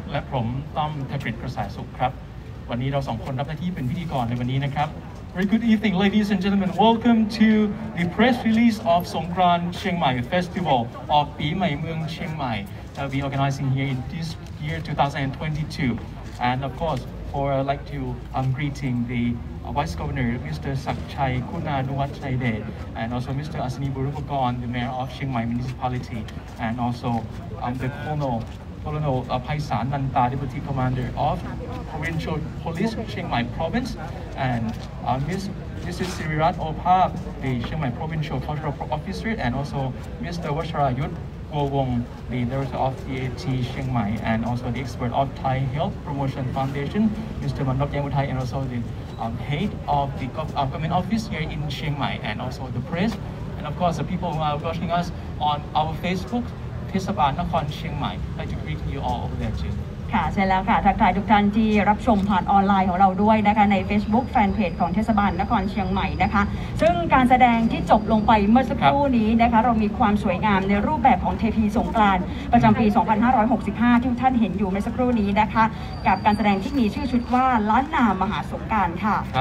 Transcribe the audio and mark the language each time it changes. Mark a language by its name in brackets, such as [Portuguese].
[Thai] และผมต้อมธกฤตกระสายสุขครับวันนี้เราสองคนรับหน้าที่เป็นพิธีกรในวันนี้นะครับ [English] Very good evening ladies and gentlemen welcome to the press release of Songkran Chiangmai Festival ออกปีใหม่เมืองเชียงใหม่ that we organizing here in this year 2022 and of courseFor I'd like to greeting the Vice Governor, Mr. Sakchai Kunanuwat Chaide, and also Mr. Asini Burupagon, the Mayor of Chiang Mai Municipality, and also the Colonel Pai San Nanta, Deputy Commander of Provincial Police, Chiang Mai Province, and Mrs. Sirirat Opa, the Chiang Mai Provincial Cultural Officer, and also Mr. Washara Yut. Guo Wong, the director of DAT Chiang Mai, and also the expert of Thai Health Promotion Foundation, Mr. Manok Yang Wuthai, and also the head of the government office here in Chiang Mai, and also the press, and of course the people who are watching us on our Facebook, Thesaban Nakhon Chiang Mai. I'd like to greet you all over there too. [Thai] ค่ะใช่แล้วค่ะทักทายทุกท่านที่รับชมผ่านออนไลน์ของเราด้วยนะคะใน Facebook Fanpage ของเทศบาลนครเชียงใหม่นะคะซึ่งการแสดงที่จบลงไปเมื่อสักครู่นี้นะคะเรามีความสวยงามในรูปแบบของเทพีสงกรานต์ประจำปี2565ที่ท่านเห็นอยู่เมื่อสักครู่นี้นะคะกับการแสดงที่มีชื่อชุดว่าล้านนามหาสงกรานต์ค่ะ